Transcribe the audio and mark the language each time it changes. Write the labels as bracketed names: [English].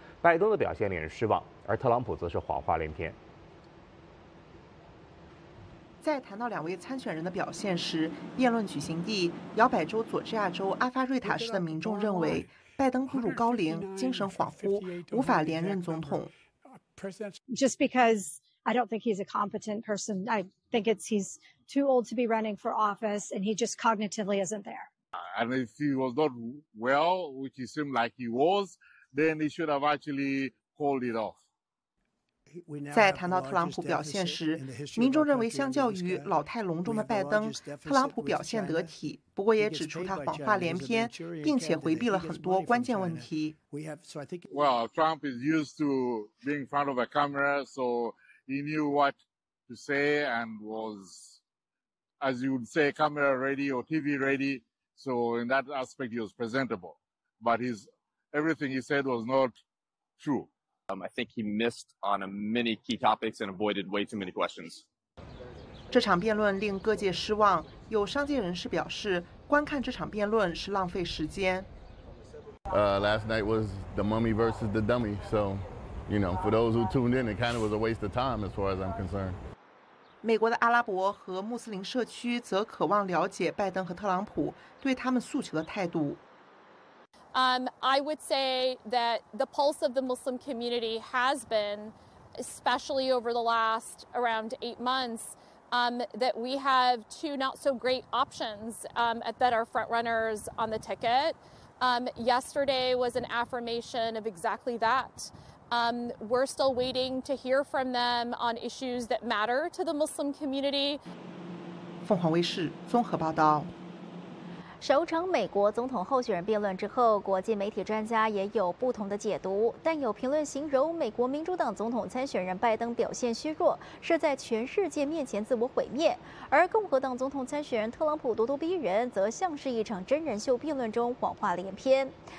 [Chinese] 拜登的表现令人失望，而特朗普则是谎话连篇。在谈到两位参选人的表现时，辩论举行地摇摆州佐治亚州阿发瑞塔市的民众认为，拜登步入高龄，精神恍惚，无法连任总统。 [English] Just because I don't think he's a competent person, I think he's too old to be running for office, and he just cognitively isn't there. And if he was not well, which he seemed like he was, then he should have actually called it off. [Chinese] 在谈到特朗普表现时，民众认为相较于老态龙钟的拜登，特朗普表现得体，不过也指出他谎话连篇，并且回避了很多关键问题。 [English] Well, Trump is used to being in front of a camera, so he knew what to say and was, as you would say, camera ready or TV ready, so in that aspect he was presentable. But his, everything he said was not true. I think he missed on many key topics and avoided way too many questions. [Chinese] 这场辩论令各界失望，有商界人士表示，观看这场辩论是浪费时间。 [English] Last night was the mummy versus the dummy, so, you know, for those who tuned in, it kind of was a waste of time as far as I'm concerned. [Chinese] 美国的阿拉伯和穆斯林社区则渴望了解拜登和特朗普对他们诉求的态度。 [English] I would say that the pulse of the Muslim community has been, especially over the last around 8 months, that we have two not so great options that are front runners on the ticket. Yesterday was an affirmation of exactly that. We're still waiting to hear from them on issues that matter to the Muslim community. [Chinese] 凤凰卫视综合报道。首场美国总统候选人辩论之后，国际媒体专家也有不同的解读，但有评论形容美国民主党总统参选人拜登表现虚弱，是在全世界面前自我毁灭，而共和党总统参选人特朗普咄咄逼人，则像是一场真人秀辩论中谎话连篇。